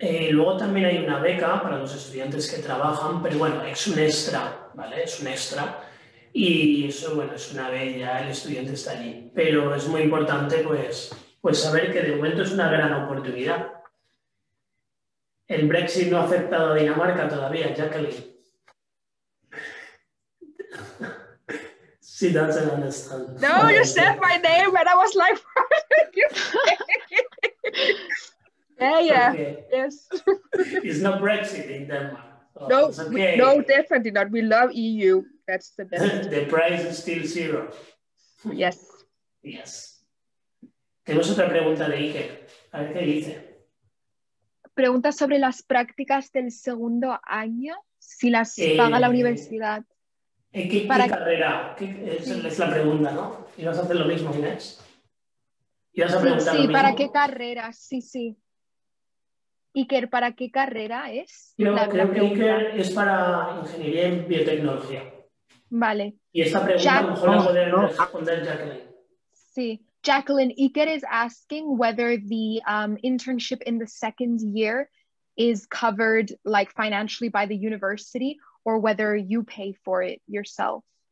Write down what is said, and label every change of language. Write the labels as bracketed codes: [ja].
[es] Luego también hay una beca para los estudiantes que trabajan, pero bueno, es un extra, ¿vale? Es un extra. Y eso, bueno, es una vez ya el estudiante está allí. Pero es muy importante, pues saber que de momento es una gran oportunidad. El Brexit no ha afectado a Dinamarca todavía, Jacqueline. [en] She doesn't understand. No, you said my name and I was like, Yeah, okay. It's not Brexit in Denmark. So no, okay. No, definitely not. We love EU. That's the best. The price is still zero. Yes. Yes. [es] Tenemos otra pregunta de Iker. A ver qué dice. Pregunta sobre las prácticas del segundo año, si las paga la universidad. ¿En qué carrera? Es la pregunta, ¿no? Y vas a hacer lo mismo, Inés. Y vas a preguntar sí, lo mismo. ¿Para qué carrera? Sí, sí. Iker, ¿para qué carrera es? Creo que Iker es para ingeniería en biotecnología. Vale. Y esta pregunta a lo mejor la puede responder Jacqueline. Sí. [en] Jacqueline, Iker is asking whether the internship in the second year is covered like financially by the university or whether you pay for it yourself.